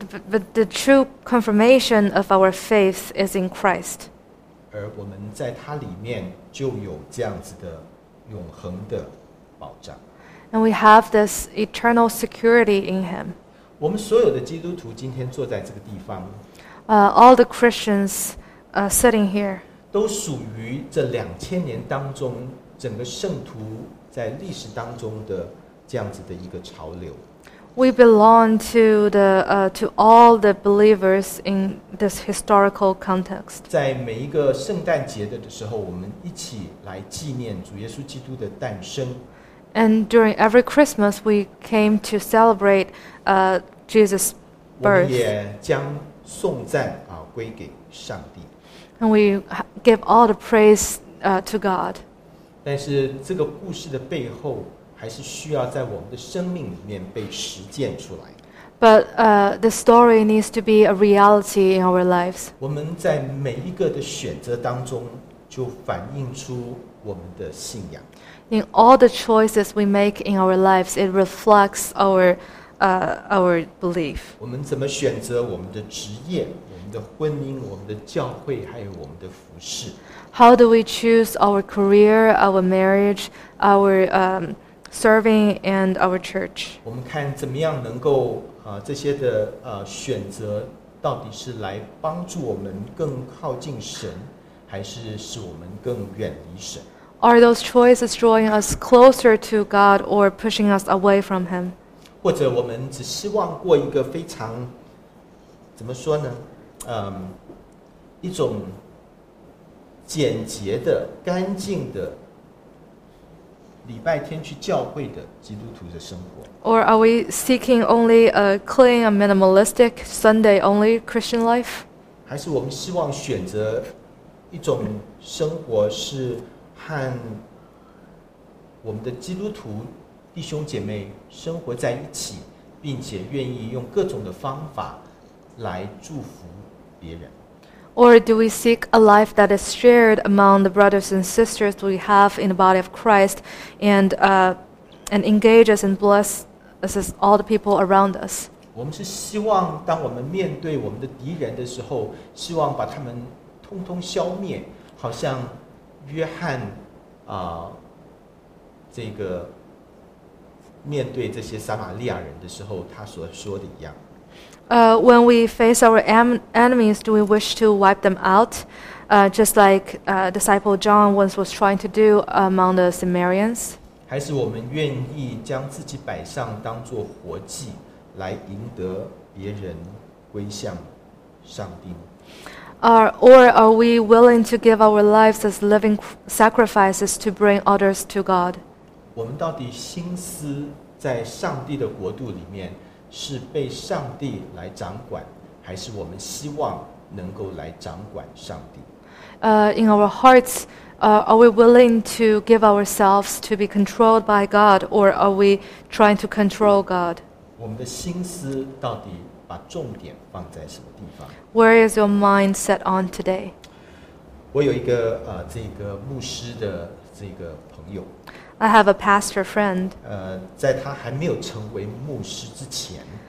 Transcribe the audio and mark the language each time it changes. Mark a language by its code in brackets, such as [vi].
[en] But the true confirmation of our faith is in Christ. [zh] 而我们在他里面就有这样子的永恒的保障。 [en] And we have this eternal security in Him. [zh] 我们所有的基督徒今天坐在这个地方。 [en] All the Christians sitting here. [zh] 都属于这两千年当中整个圣徒在历史当中的这样子的一个潮流。 [en] We belong to to all the believers in this historical context. [zh] 在每一个圣诞节的时候，我们一起来纪念主耶稣基督的诞生。 [en] And during every Christmas, we came to celebrate Jesus' birth. [zh] 我们也将颂赞归给上帝。 [en] And we give all the praise to God. [zh] 但是这个故事的背后还是需要在我们的生命里面被实践出来。 [en] But the story needs to be a reality in our lives. [zh] 我们在每一个的选择当中就反映出我们的信仰。 [en] In all the choices we make in our lives, it reflects our belief. [zh] 我们怎么选择我们的职业、我们的婚姻、我们的教会，还有我们的服事。 [en] How do we choose our career, our marriage, our serving, and our church? [zh] 我们看怎么样能够这些的选择到底是来帮助我们更靠近神，还是使我们更远离神？ [en] Are those choices drawing us closer to God or pushing us away from Him? [zh] 或者我们只希望过一个非常，怎么说呢？一种简洁的、干净的礼拜天去教会的基督徒的生活。 [en] Or are we seeking only a clean and minimalistic Sunday only Christian life? [zh] 还是我们希望选择一种生活是和我们的基督徒弟兄姐妹生活在一起，并且愿意用各种的方法来祝福别人。 [en] Or do we seek a life that is shared among the brothers and sisters we have in the body of Christ and engage us and bless us all the people around us? [zh] 我们是希望当我们面对我们的敌人的时候，希望把他们通通消灭，好像约翰啊、这个面对这些撒玛利亚人的时候他所说的一样。 [en] When we face our enemies, do we wish to wipe them out, just like disciple John once was trying to do among the Samaritans? [zh] 还是我们愿意将自己摆上当作活祭，来赢得别人归向上帝？ [en] Or are we willing to give our lives as living sacrifices to bring others to God? [zh] 我们到底心思在上帝的国度里面？是被上帝来掌管，还是我们希望能够来掌管上帝？ [en] In our hearts, are we willing to give ourselves to be controlled by God, or are we trying to control God? [zh] 我们的心思到底把重点放在什么地方？ [en] Where is your mind set on today? [zh] 我有一个这个牧师的这个朋友。 [en] I have a pastor friend. [zh] 在他还没有成为牧师之前